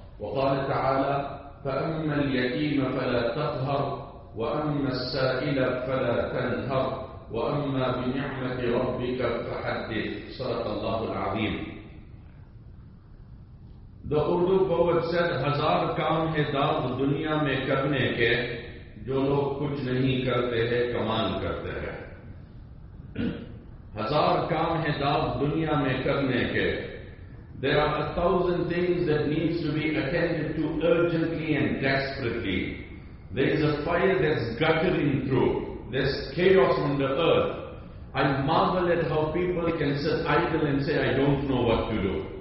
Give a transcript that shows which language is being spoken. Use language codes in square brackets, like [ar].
[ar] وقال تعالى: فأما اليتيم فلا تقهر، وأما السائل فلا تنهر، وأما بنعمة ربك فحدث. صدق الله العظيم. [en] The Urdu poet said, [ur] ہزار کام ہے داغ دنیا میں کرنے کے، جو لوگ کچھ نہیں کرتے ہیں کمال کرتے ہیں. ہزار کام ہے داغ دنیا میں کرنے کے. [en] There are a thousand things that needs to be attended to urgently and desperately. There is a fire that's guttering through. There's chaos on the earth. I marvel at how people can sit idle and say, I don't know what to do.